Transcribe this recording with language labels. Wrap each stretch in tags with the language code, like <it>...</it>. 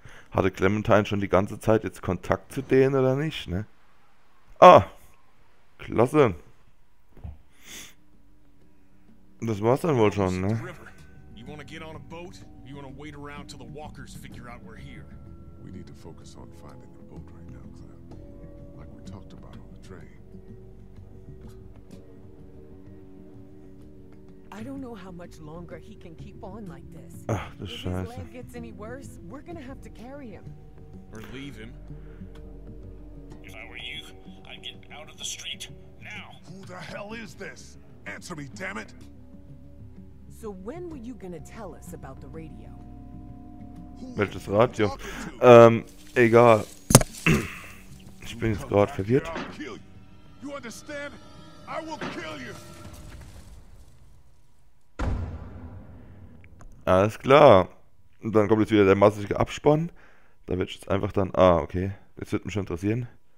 <de>Hatte Clementine schon die ganze Zeit jetzt Kontakt zu denen oder nicht, ne? Ah! Klasse! Das war's dann wohl schon, ne?</de> <en>You want to get on a boat? You want to wait around till the walkers figure out we're here? We need to focus on finding the boat right now, Clem. Like we talked about on the train. I don't know how much longer he can keep on like this.</en> <de>Ach, du Scheiße.</de> <en>If his leg gets any worse, we're gonna have to carry him. Or leave him. If I were you, I'd get out of the street now. Who the hell is this? Answer me, damn it! So when were you gonna tell us about the radio?</en> <de>Welches Radio? Egal. Ich bin jetzt gerade verwirrt.</de> <en>You understand? I will kill you.</en> <de>Alles klar. Und dann kommt jetzt wieder der massige Abspann. Da wird jetzt einfach dann. Ah, okay. Jetzt wird mich schon interessieren.</de>